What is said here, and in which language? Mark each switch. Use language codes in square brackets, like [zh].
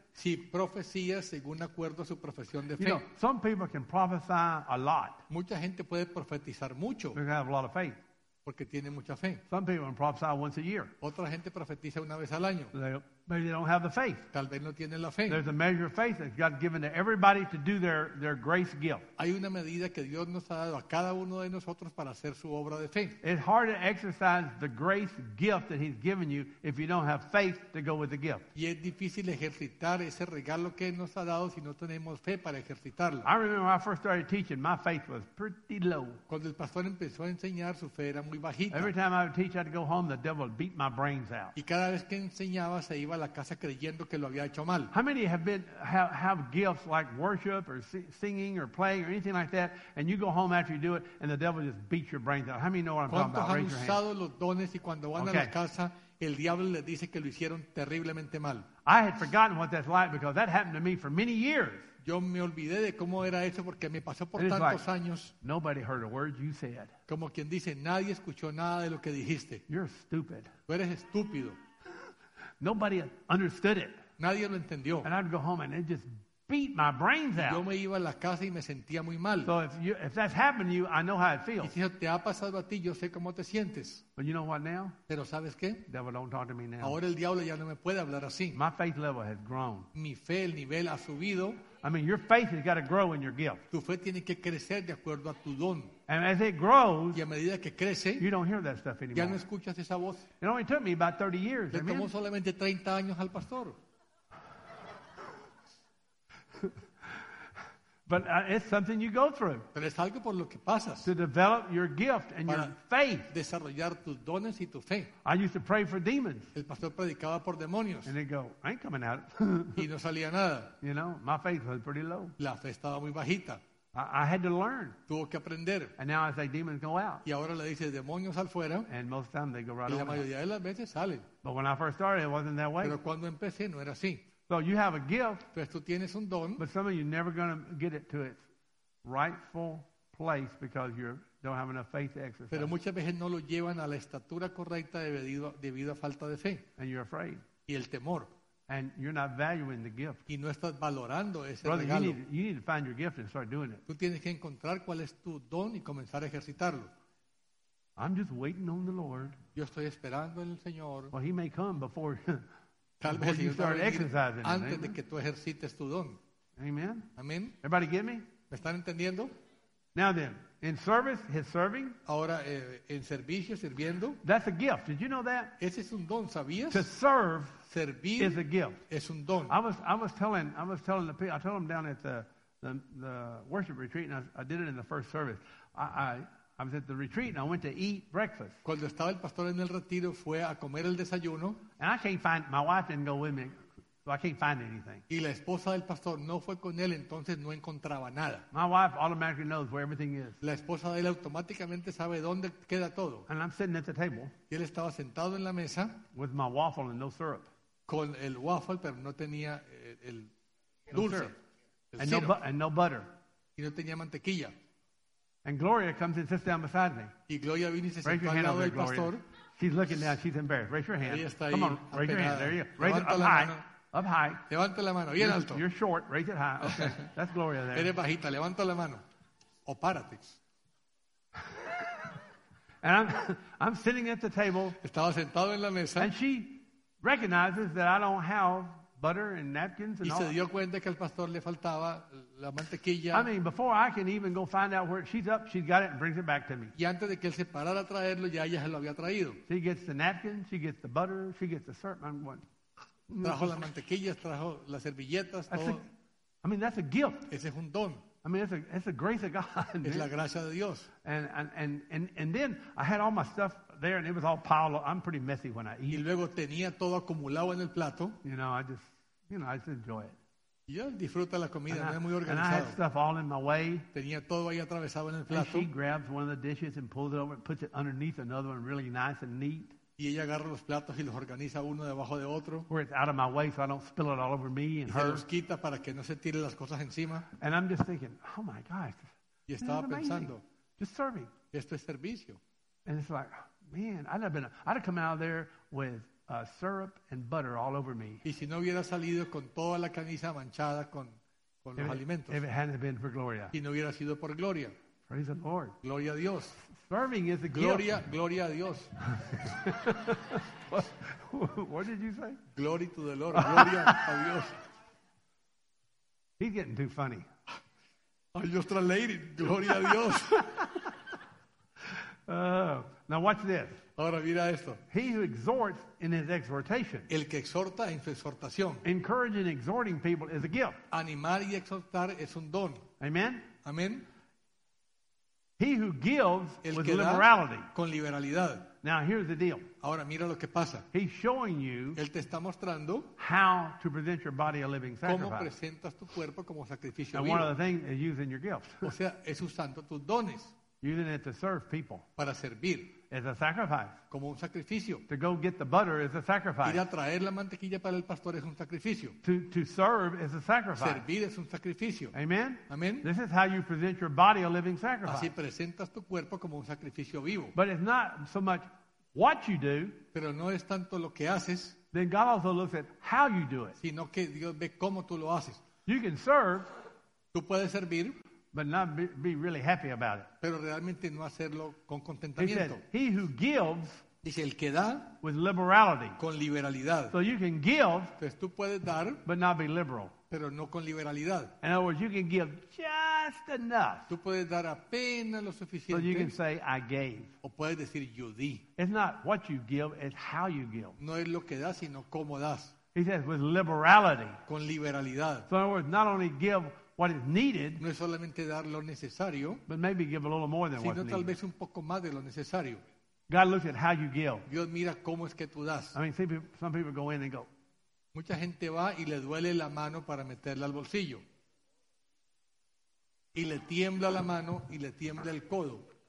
[es] Si profecía según acuerdo a su profesión de fe. [en] You know, some people can prophesy a lot. [es] Mucha gente puede profetizar mucho. [en] They have a lot of faith. [es] Porque tiene mucha fe. [en] Some people can prophesy once a year. [es] Otra gente profetiza una vez al año. [en] Maybe they don't have the faith. [es] Tal vez no tienen la fe. [en] There's a measure of faith that God's given to everybody to do their grace gift. [es] Hay una medida que Dios nos ha dado a cada uno de nosotros para hacer su obra de fe. [en] It's hard to exercise the grace gift that he's given you if you don't have faith to go with the gift. [es] Y es difícil ejercitar ese regalo que nos ha dado si no tenemos fe para ejercitarlo. [en] I remember when I first started teaching, my faith was pretty low. [es] Cuando el pastor empezó a enseñar, su fe era muy bajita. [en] Every time I would teach, I'd go home, the devil would beat my brains out. [es] Y cada vez que enseñaba, se iba a la casa creyendo que lo había hecho mal. [en] How many have gifts like worship or singing or playing or anything like that and you go home after you do it and the devil just beats your brains out? How many know what I'm talking about? Raise your hand. [es] ¿Cuántos han usado los dones y cuando van a la casa el diablo les dice que lo hicieron terriblemente mal? [en] I had forgotten what that's like because that happened to me for many years. [es] Yo me olvidé de cómo era eso porque me pasó por tantos [en] like, [es] años. [en] Nobody heard a word you said. [es] Como quien dice, nadie escuchó nada de lo que dijiste. [en] You're stupid. [es] Tú eres estúpido. [en] Nobody understood it. [es] Nadie lo entendió. [en] And I'd go home and it just beat my brains out. [es] Yo me iba a la casa y me sentía muy mal. [en] So if that's happened to you, I know how it feels. [es] Y si te ha pasado a ti, yo sé cómo te sientes. [en] But you know what now? [es] Pero ¿sabes qué? [en] Devil don't talk to me now. [es] Ahora el diablo ya no me puede hablar así. [en] My faith level has grown. [es] Mi fe, el nivel ha subido. [en] I mean, your faith has got to grow in your gift. [es] Tu fe tiene que crecer de acuerdo a tu don. [en] And as it grows, [es] y a medida que crece, [en] you don't hear that stuff anymore. [es] Ya no escuchas esa voz. [en] It only took me about 30 years. [es] Le tomó solamente 30 años al pastor. [en] But it's something you go through. [es] Pero es algo por lo que pasas. [en] To develop your gift and your faith. [es] Desarrollar tus dones y tu fe. [en] I used to pray for demons. [es] El pastor predicaba por demonios. [en] And they'd go, I ain't coming out. [es] Y no salía nada. [en] You know, my faith was pretty low. [es] La fe estaba muy bajita. [en] I had to learn. [es] Tuvo que aprender. [en] And now I say, demons go out. [es] Y ahora le dice, demonios al fuera. [en] And most of the time they go right away. [es] Y la mayoría de las veces salen. [en] But when I first started, it wasn't that way. [es] Pero cuando empecé, no era así. [en] So you have a gift, [es] pues tú tienes un don, [en] but some of you are never going to get it to its rightful place because you don't have enough faith to exercise. [es] Pero muchas veces no lo llevan a la estatura correcta debido a falta de fe. [en] And you're afraid. [es] Y el temor. [en] And you're not valuing the gift. [es] Y no estás valorando ese [en] Brother, [es] regalo. [en] You need to find your gift and start doing it. [es] Tú tienes que encontrar cuál es tu don y comenzar a ejercitarlo. [en] I'm just waiting on the Lord. [es] Yo estoy esperando en el Señor. [en] Well, he may come before... [es] Tal vez [en] you start exercising [es] antes [en] it, [es] de que tú ejercites tu don. [en] Amen. [es] Amen. [en] Everybody get me? [es] ¿Me están entendiendo? [en] Now then, in service, his serving. [es] Ahora, en servicio, sirviendo. [en] That's a gift. Did you know that? [es] Ese es un don, ¿sabías? [en] To serve [es] servir [en] is a gift. [es] Es un don. [en] I was telling the people, I told them down at the worship retreat, and I did it in the first service. I was at the retreat and I went to eat breakfast. [es] Cuando estaba el pastor en el retiro, fue a comer el desayuno. [en] And I can't find, my wife didn't go with me, so I can't find anything. [es] Y la esposa del pastor no fue con él, entonces no encontraba nada. [en] My wife automatically knows where everything is. [es] La esposa de él automáticamente sabe dónde queda todo. [en] And I'm sitting at the table. [es] Y él estaba sentado en la mesa. [en] With my waffle and no syrup. [es] Con el waffle, pero no tenía el dulce. [en] And no butter. [es] Y no tenía mantequilla. [en] And Gloria comes and sits down beside me. [es] Y Gloria viene y se [en] raise your hand over there, Gloria. [es] Pastor. [en] She's looking down. She's embarrassed. Raise your hand. [es] Ella está [en] Come [es] ahí [en] on. [es] Apenada. [en] Raise your hand. There you go. Raise it up high. [es] Mano. [en] Up high. [es] Levanta la mano. Bien alto. [en] You're short. Raise it high. Okay. That's Gloria there. [es] Eres bajita. Levanta la mano. O párate. [en] And I'm sitting at the table. [es] Estaba sentado en la mesa. [en] And she recognizes that I don't have butter and napkins and [es] y [en] all. [es] Se dio cuenta que al pastor le faltaba la mantequilla. [en] I mean, before I can even go find out where she's up, she's got it and brings it back to me. [es] Y antes de que él se parara a traerlo, ya ella se lo había traído. [en] She gets the napkins, she gets the butter, she gets the syrup. I'm going, [es] trajo las mantequillas, trajo las servilletas, todo. [en] I mean, that's a gift. [es] Ese es un don. [en] I mean, it's a grace of God. [es] Es la gracia de Dios. [en] And then I had all my stuff there, and it was all piled up. I'm pretty messy when I eat. [es] Y luego tenía todo acumulado en el plato. [en] I just enjoy it. [es] Yo disfruto la comida, no es muy organizado. [en] And I had stuff all in my way. [es] Tenía todo ahí atravesado en el plato. [en] And she grabs one of the dishes and pulls it over and puts it underneath another one, really nice and neat. [es] Y ella agarra los platos y los organiza uno debajo de otro. [en] Where it's out of my way, so I don't spill it all over me and her. [es] Y se los quita para que no se tire las cosas encima. [en] And I'm just thinking, oh my gosh. [es] Y estaba pensando, [en] just serving. [es] Esto es servicio. [en] And it's like, man, I'd have come out of there with syrup and butter all over me. [es] Y si no hubiera salido con toda la camisa manchada con los alimentos. [en] If it hadn't been for Gloria. [es] Y no hubiera sido por Gloria. [en] Praise the Lord. [es] Gloria a Dios. [en] Serving is a [es] gloria, [en] gift. [es] Gloria a Dios. [en] What did you say? Glory to the Lord. [es] Gloria a Dios. [en] He's getting too funny. [es] Ay, otra lady. Gloria a Dios. [en] Now watch this. [es] Ahora mira esto. [en] He who exhorts in his exhortation. [es] El que exhorta en su exhortación. [en] Encouraging and exhorting people is a gift. [es] Animar y exhortar es un don. [en] Amen. [es] Amen. [en] He who gives with liberality. [es] Con liberalidad. [en] Now here's the deal. [es] Ahora mira lo que pasa. [en] He's showing you. [es] Él te está mostrando. [en] How to present your body a living sacrifice. [es] Cómo presentas tu cuerpo como sacrificio [en] vivo. And one of the things is using your gifts. [es] O sea, es usando tus dones. [en] Using it to serve people. [es] Para servir. [en] As a sacrifice. [es] Como un sacrificio. [en] To go get the butter is a sacrifice. [es] Ir a traer la mantequilla para el pastor es un sacrificio. [en] To serve is a sacrifice. [es] Servir es un sacrificio. [en] Amen. [es] Amen. [en] This is how you present your body a living sacrifice. [es] Así presentas tu cuerpo como un sacrificio vivo. [en] But it's not so much what you do. [es] Pero no es tanto lo que haces. [en] Then God also looks at how you do it. [es] Sino que Dios ve cómo tú lo haces. [en] You can serve. [es] Tú puedes servir. [en] But not be really happy about it. [es] Pero realmente no hacerlo con contentamiento. [en] He said, he who gives. [es] Dice, el que da. [en] With liberality. [es] Con liberalidad. [en] So you can give. [es] Pues tú puedes dar. [en] But not be liberal. [es] Pero no con liberalidad. [en] In other words, you can give just enough. [es] Tú puedes dar apenas lo suficiente. [en] So you can say, I gave. [es] O puedes decir, yo di. [en] It's not what you give, it's how you give. [es] No es lo que das, sino cómo das. [en] He says, with liberality. [es] Con liberalidad. [en] So in other words, not only give what is needed, [es] no es solamente dar lo necesario, [en] but maybe give a little more than [es] sino [en] what's [es] tal [en] needed. [es] Vez un poco más de lo necesario. [en] God looks at how you give. [es] Dios mira cómo es que tú das. [en] I mean, some people go in and go. [es] Mucha gente va y le duele la mano para meterla al bolsillo. Y le tiembla la mano y le tiembla el codo.